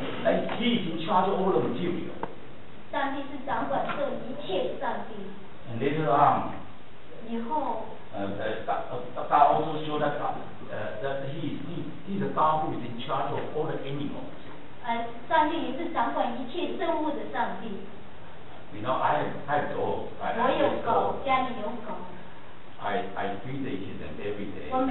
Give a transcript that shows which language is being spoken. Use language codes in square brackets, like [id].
[en] He is in charge of all the material. [zh] 上帝是掌管这一切的上帝。 [en] And later on, [zh] 以后, [en] God also showed that he is the God who is in charge of all the animals. [zh] 上帝也是掌管一切生物的上帝。 [en] You know, I feed the kids every day.